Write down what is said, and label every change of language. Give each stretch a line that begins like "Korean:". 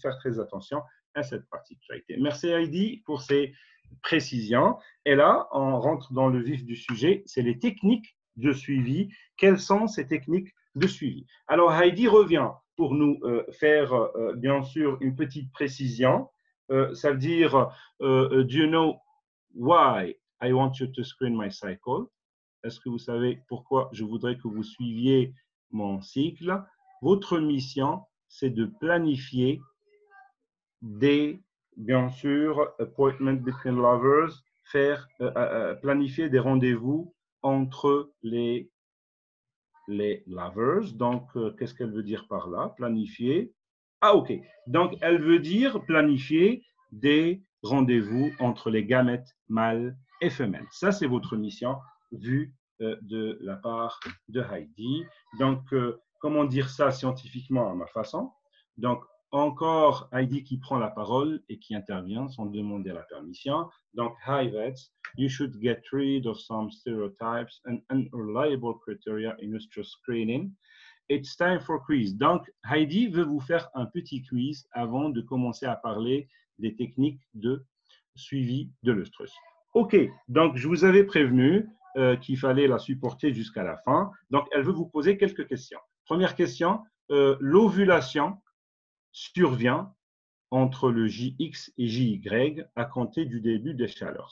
French: Faire très attention à cette particularité. Merci Heidi pour ces précision. Et là, on rentre dans le vif du sujet, c'est les techniques de suivi. Quelles sont ces techniques de suivi? Alors, Heidi revient pour nous faire, bien sûr, une petite précision. Ça veut dire,
English: do you know why I want you to screen my cycle?
French: Est-ce que vous savez pourquoi je voudrais que vous suiviez mon cycle? Votre mission, c'est de planifier des... Bien sûr,
English: appointment between lovers,
French: planifier des rendez-vous entre les lovers. Donc, qu'est-ce qu'elle veut dire par là? Planifier. Ah, ok. Donc, elle veut dire planifier des rendez-vous entre les gamètes mâles et femelles. Ça, c'est votre mission vue de la part de Heidi. Donc, comment dire ça scientifiquement à ma façon? Donc, encore Heidi qui prend la parole et qui intervient sans demander la permission.
English: Donc, hi vets, you should get rid of some stereotypes and unreliable criteria in your screening. It's time for quiz.
French: Donc, Heidi veut vous faire un petit quiz avant de commencer à parler des techniques de suivi de l'œstrus. Ok, donc je vous avais prévenu qu'il fallait la supporter jusqu'à la fin. Donc, elle veut vous poser quelques questions. Première question, l'ovulation survient entre le JX et JY à compter du début des chaleurs.